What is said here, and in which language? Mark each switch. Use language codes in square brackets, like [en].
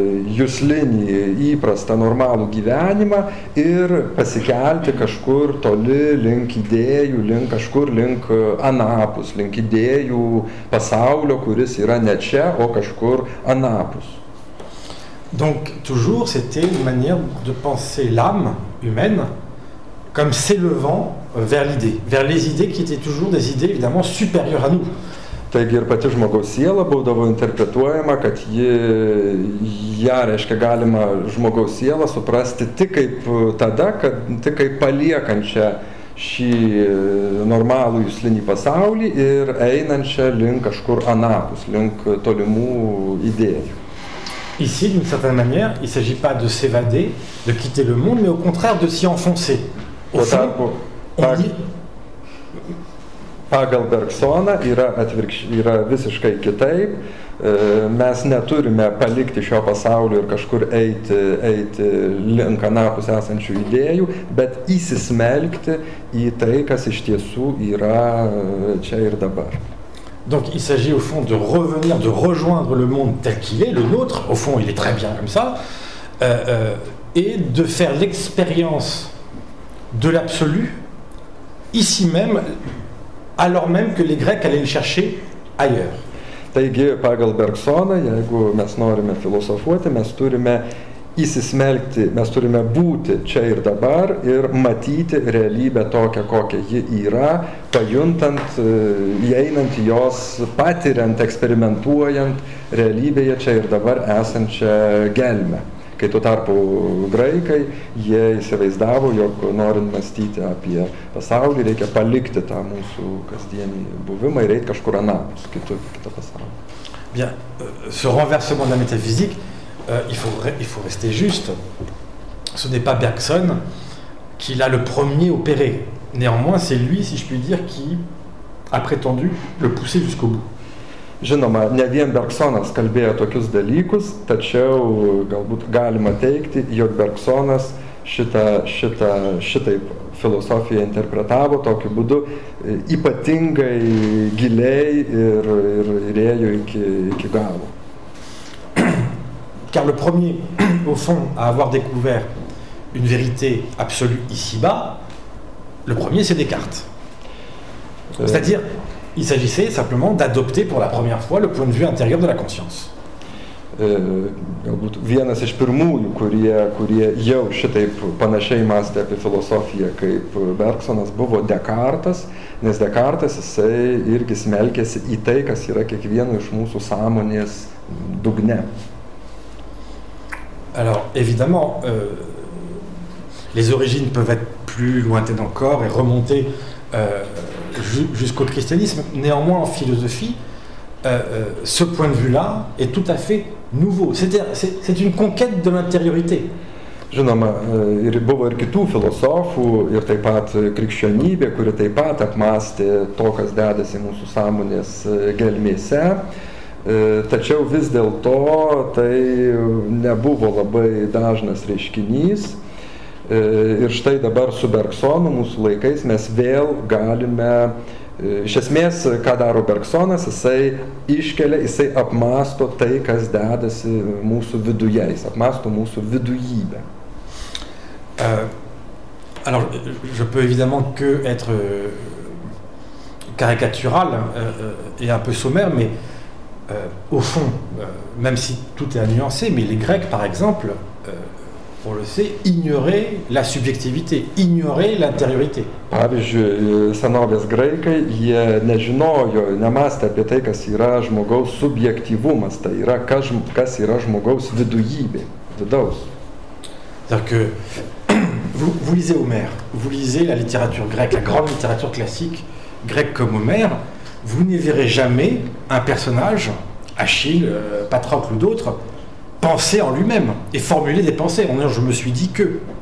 [lt] juslinį įprastą normalų gyvenimą ir pasikelti kažkur toli link idėjų, link kažkur link anapus, link idėjų pasaulio, kuris yra ne čia, o kažkur anapus. [fr] Donc toujours c'était une manière de penser l'âme humaine comme s'élevant vers l'idée, vers les idées qui étaient toujours des idées évidemment supérieures à nous. [lt] Taigi ir pati žmogaus siela būdavo interpretuojama, kad ją reiškia galima žmogaus sielą suprasti tik kaip tada, kad tik kaip paliekančią šį normalų juslinį pasaulį ir einančią link kažkur anapus, link tolimų idėjų. [fr] Ici, d'une certaine manière, il ne s'agit pas de s'évader, de quitter le monde, mais au contraire de s'y enfoncer. Au fond, on dit... [lt] Pagal Bergsoną yra visiškai kitaip. Mes neturime palikti šio pasaulio ir kažkur eiti link anapus esančių idėjų, bet įsismelkti į tai, kas iš tiesų yra čia ir dabar. [fr] Donc il s'agit au fond de revenir, de rejoindre le monde tel qu'il est, le nôtre, au fond il est très bien comme ça, et de faire l'expérience de l'absolu ici même, alors même que les Grecs allaient le chercher ailleurs. [lt] Taigi, pagal Bergsoną, jeigu mes norime filosofuoti, mes turime įsismelkti, mes turime būti čia ir dabar ir matyti realybę tokią, kokią ji yra, pajuntant, įeinant jos, patiriant, eksperimentuojant realybėje čia ir dabar esančią gelmę. Kai tuo tarpu graikai, jie įsivaizdavo, jog norint mąstyti apie pasaulį, reikia palikti tą mūsų kasdienį buvimą ir eiti kažkur anapus, kitą pasaulį. [fr] Bien, ce renversement de la métaphysique, il faut rester juste, ce n'est pas Bergson qui l'a le premier opéré. Néanmoins, c'est lui, si je puis dire, qui a prétendu le pousser jusqu'au bout. [lt] Žinoma, ne vien Bergsonas kalbėjo tokius dalykus, tačiau galbūt galima teikti, jog Bergsonas šitaip filosofiją interpretavo tokiu būdu ypatingai giliai ir rėjo iki galo. [fr] Car le premier, au fond, à avoir découvert une vérité absolue ici-bas, le premier, c'est Descartes. C'est-à-dire, il s'agissait simplement d'adopter pour la première fois le point de vue intérieur de la conscience. [lt] Galbūt vienas iš pirmųjų, kurie jau šitaip panašiai mąstė apie filosofiją kaip Bergsonas, buvo Dekartas, nes Dekartas jisai irgi smelkėsi į tai, kas yra kiekvieno iš mūsų sąmonės dugne. [fr] Alors, évidemment, les origines peuvent être plus lointaines encore et remonter jusqu'au christianisme. Néanmoins, en philosophie, ce point de vue-là est tout à fait nouveau. C'est-à-dire, c'est une conquête de l'intériorité. [lt] Žinoma, ir buvo ir kitų filosofų, ir taip pat krikščionybė, kuri taip pat apmąstė to, kas dedasi mūsų sąmonės gelmėse. Tačiau vis dėlto tai nebuvo labai dažnas reiškinys. Ir štai dabar su Bergsonu mūsų laikais mes vėl galime, iš esmės, ką daro Bergsonas, jisai iškelia, jisai apmąsto tai, kas dedasi mūsų viduje, jis apmąsto mūsų vidujybę. [fr] Alors, je peux évidemment que être caricatural et un peu sommaire, mais au fond, même si tout est à nuancer, mais les Grecs, par exemple, on le sait, ignorer la subjectivité, ignorer l'intériorité. [lt] Pavyzdžiui, senovės graikai, jie nežinojo, nemąstė apie tai, kas yra žmogaus subjektivumas, tai yra, kas yra žmogaus vidujybė, vidaus. [fr] C'est-à-dire que vous lisez Homère, vous lisez la littérature grecque, la grande littérature classique grecque comme Homère, vous n'y verrez jamais un personnage, Achille, Patrocle ou d'autres, penser en lui-même et formuler des pensées. En disant, je me suis dit que.